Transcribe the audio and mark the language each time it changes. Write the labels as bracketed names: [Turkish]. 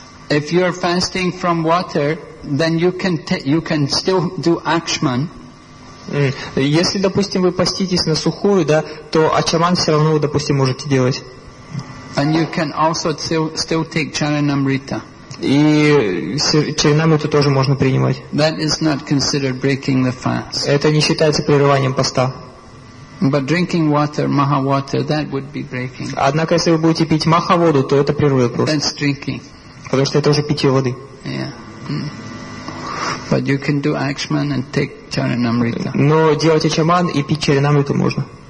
[English] If you're fasting from water, then you can still do achman. [Russian] Если, допустим, вы поститесь на сухую, да, то ачаман все равно вы, допустим, можете делать. [English] And you can also still take charanamrita. [Russian] И чаринамриту тоже можно принимать. [English] That is not considered breaking the fast. [Russian] Это не считается прерыванием поста. [English] But drinking water, maha water, that would be breaking. [Russian] Однако, если вы будете пить маха воду, то это прерывает просто. [English] That's drinking. [Russian] Потому что это уже питье воды. [English] Yeah. But you can do Akshman and take Charanamrita. [Russian] Но делать Ачаман и пить Чаринамриту можно.